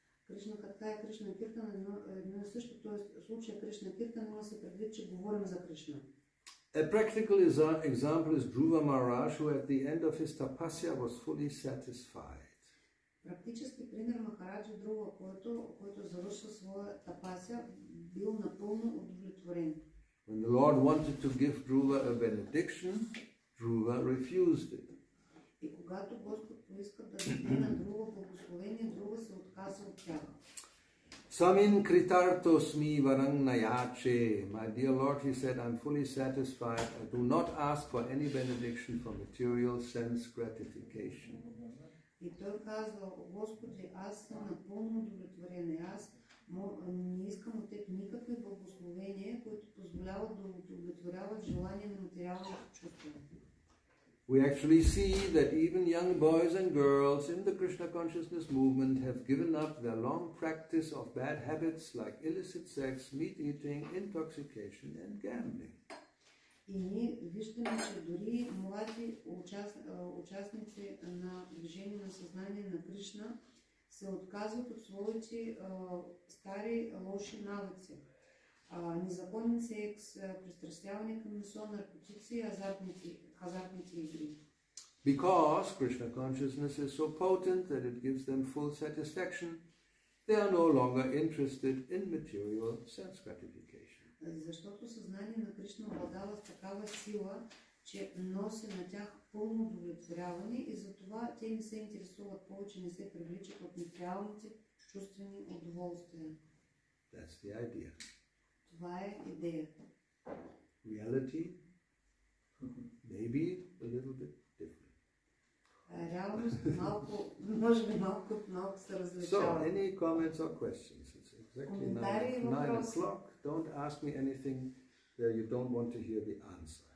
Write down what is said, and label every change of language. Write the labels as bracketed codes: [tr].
[bg] Krishna Katha и Krishna Kirtan едно и също, т.е. случая Krishna Kirtan, но се предвид, че говорим за Krishna. [en] A practical example is Dhruva Maharaj, who at the end of his tapasya was fully satisfied. [bg] Практически пример Махараджа Друва, който завършил своя тапасия, бил напълно удовлетворен. [en] When the Lord wanted to give Dhruva a benediction, Dhruva refused it. [bg] И когато Господ поиска да даде на Друва благословение, Друва се отказа от тях. [sa] Samin kritartosmi varang nayache. [en] My dear Lord, he said, I'm fully satisfied. I do not ask for any benediction for material sense gratification. [bg] И той казва, Господи, аз съм напълно удовлетворен. Аз не искам от теб никакви благословения, които позволяват да удовлетворяват желание на материалното чувство. [en] We actually see that even young boys and girls in the Krishna consciousness movement have given up their long practice of bad habits like illicit sex, meat eating, intoxication and gambling. [bg] И ние виждаме, че дори млади участници на движение на съзнание на Кришна се отказват от своите стари лоши навици. Незаконен секс, пристрастяване към месо, наркотици, азартните игри. [en] Because Krishna consciousness is so potent that it gives them full satisfaction, they are no longer interested in material sense gratification. [bg] Защото съзнание на Кришна обладава такава сила, че носи на тях пълно удовлетворяване и затова те не се интересуват повече, не се привличат от материалните чувствени удоволствия. [en] That's the idea. [bg] Това е идеята. [en] Reality, maybe a little bit different. [bg] Реалност малко, може би малко се различава. [en] So, any comments or questions? It's exactly 9 o'clock. Don't ask me anything where you don't want to hear the answer.